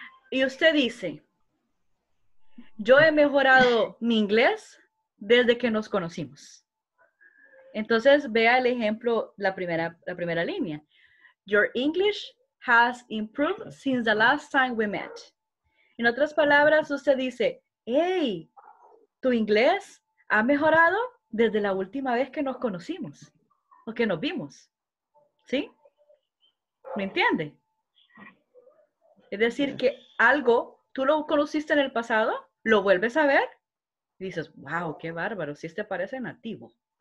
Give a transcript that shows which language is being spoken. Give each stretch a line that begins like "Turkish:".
Spanish: Y usted dice, yo he mejorado mi inglés desde que nos conocimos. Entonces, vea el ejemplo, la primera línea.
English: Your English has improved since the last time we met.
Spanish: En otras palabras, usted dice, hey, tu inglés ha mejorado desde la última vez que nos conocimos o que nos vimos. ¿Sí? ¿Me entiende? Es decir, que algo, tú lo conociste en el pasado, lo vuelves a ver, y dices, wow, qué bárbaro, si este parece nativo.